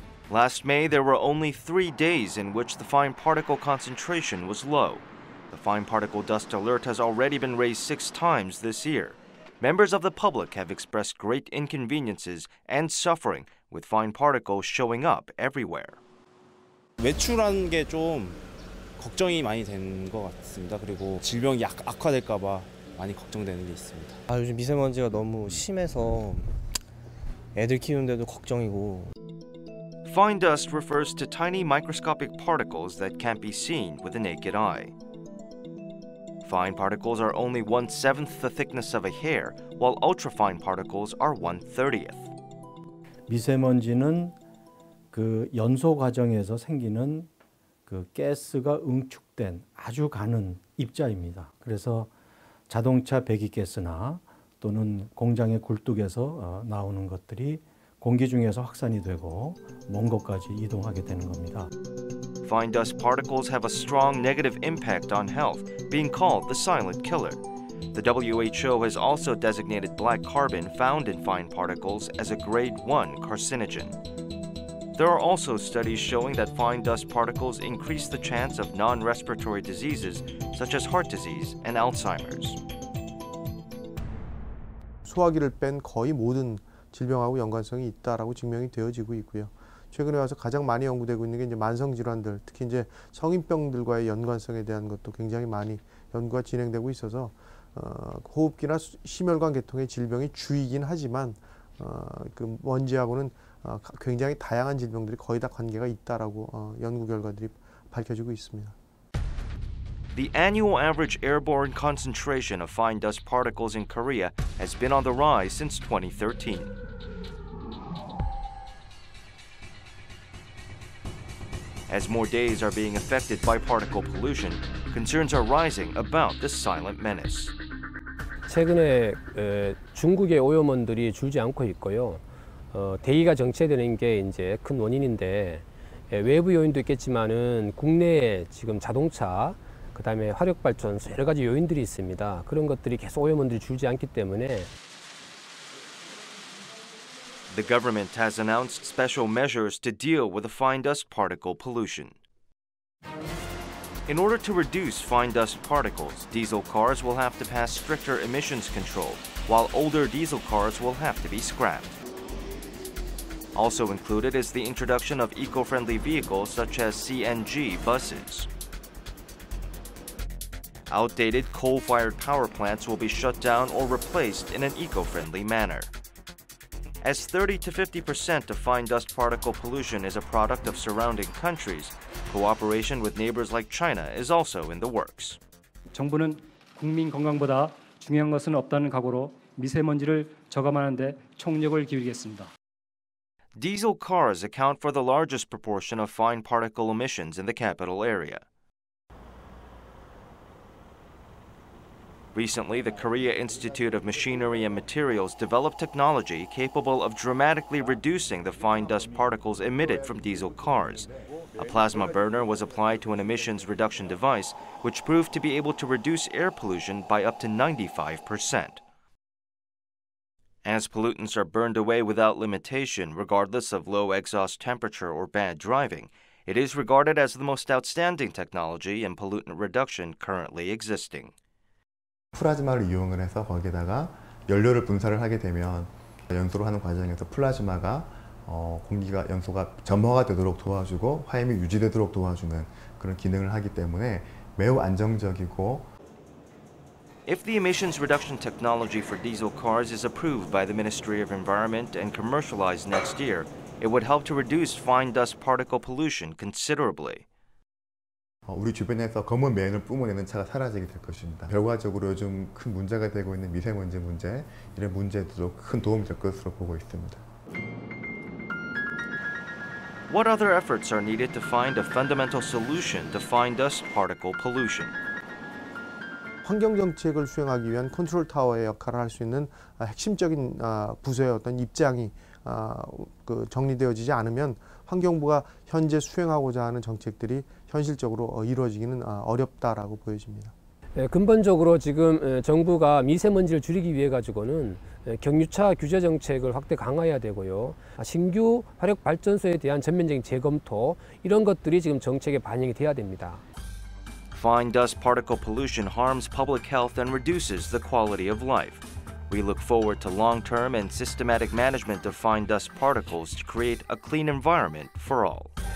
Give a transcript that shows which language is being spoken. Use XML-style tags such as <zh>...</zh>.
<en>Last May, there were only 3 days in which the fine particle concentration was low. The fine particle dust alert has already been raised 6 times this year. Members of the public have expressed great inconveniences and suffering with fine particles showing up everywhere.</en> <ko>외출한 게 좀 걱정이 많이 되는 것 같습니다. 그리고 질병이 약 악화될까 봐 많이 걱정되는 게 있습니다. 아, 요즘 미세먼지가 너무 심해서 애들 키우는데도 걱정이고.</ko> <en>Fine dust refers to tiny microscopic particles that can't be seen with the naked eye. Fine particles are only 1/7 the thickness of a hair, while ultrafine particles are 1/30.</en> <ko>미세먼지는 그 연소 과정에서 생기는 그 가스가 응축된 아주 가는 입자입니다. 그래서 자동차 배기 가스나 또는 공장의 굴뚝에서 나오는 것들이 공기 중에서 확산이 되고 먼 곳까지 이동하게 되는 겁니다.</ko> <en>Fine dust particles have a strong negative impact on health, being called the silent killer. The WHO has also designated black carbon found in fine particles as a grade 1 carcinogen. There are also studies showing that fine dust particles increase the chance of non-respiratory diseases such as heart disease and Alzheimer's.</en> <ko>소화기를 뺀 거의 모든 질병하고 연관성이 있다라고 증명이 되어지고 있고요. 최근에 와서 가장 많이 연구되고 있는 게 이제 만성 질환들, 특히 이제 성인병들과의 연관성에 대한 것도 굉장히 많이 연구가 진행되고 있어서 호흡기나 심혈관 계통의 질병이 주이긴 하지만 그 먼지하고는 굉장히 다양한 질병들이 거의 다 관계가 있다라고 연구 결과들이 밝혀지고 있습니다.</ko> <en>The annual average airborne concentration of fine dust particles in Korea has been on the rise since 2013. As more days are being affected by particle pollution, concerns are rising about this silent menace.</en> <ko>최근에 중국의 오염원들이 줄지 않고 있고요. 대기가 정체되는 게 이제 큰 원인인데 외부 요인도 있겠지만은 국내에 지금 자동차 그다음에 화력 발전소 여러 가지 요인들이 있습니다. 그런 것들이 계속 오염원들이 줄지 않기 때문에</ko> <en>The government has announced special measures to deal with the fine dust particle pollution. In order to reduce fine dust particles, diesel cars will have to pass stricter emissions control, while older diesel cars will have to be scrapped. Also included is the introduction of eco-friendly vehicles such as CNG buses. Outdated coal-fired power plants will be shut down or replaced in an eco-friendly manner. As 30% to 50% of fine dust particle pollution is a product of surrounding countries, cooperation with neighbors like China is also in the works.</en> <ko>정부는 국민 건강보다 중요한 것은 없다는 각오로 미세먼지를 저감하는 데 총력을 기울이겠습니다.</ko> <en>Diesel cars account for the largest proportion of fine particle emissions in the capital area. Recently, the Korea Institute of Machinery and Materials developed technology capable of dramatically reducing the fine dust particles emitted from diesel cars. A plasma burner was applied to an emissions reduction device, which proved to be able to reduce air pollution by up to 95%. As pollutants are burned away without limitation, regardless of low exhaust temperature or bad driving, it is regarded as the most outstanding technology in pollutant reduction currently existing.</en> <ko>플라즈마를 이용을 해서 거기에다가 연료를 분사를 하게 되면 연소를 하는 과정에서 플라즈마가 공기가 연소가 점화가 되도록 도와주고 화염이 유지되도록 도와주는 그런 기능을 하기 때문에 매우 안정적이고</ko> <en>If the emissions reduction technology for diesel cars is approved by the Ministry of Environment and commercialized next year, it would help to reduce fine dust particle pollution considerably.</en> <ko>우리 주변에서 검은 매연을 뿜어내는 차가 사라지게 될 것입니다. 결과적으로 요즘 큰 문제가 되고 있는 미세먼지 문제, 이런 문제들도 큰 도움이 될 것으로 보고 있습니다.</ko> <en>What other efforts are needed to find a fundamental solution to fine dust particle pollution?</en> <ko>환경정책을 수행하기 위한 컨트롤타워의 역할을 할 수 있는 핵심적인 부서의 어떤 입장이 정리되어지지 않으면 환경부가 현재 수행하고자 하는 정책들이 현실적으로 이루어지기는 어렵다라고 보여집니다. 근본적으로 지금 정부가 미세먼지를 줄이기 위해 가지고는 경유차 규제 정책을 확대 강화해야 되고요. 신규 화력발전소에 대한 전면적인 재검토 이런 것들이 지금 정책에 반영이 돼야 됩니다.</ko> <en>Fine dust particle pollution harms public health and reduces the quality of life. We look forward to long-term and systematic management of fine dust particles to create a clean environment for all.</en>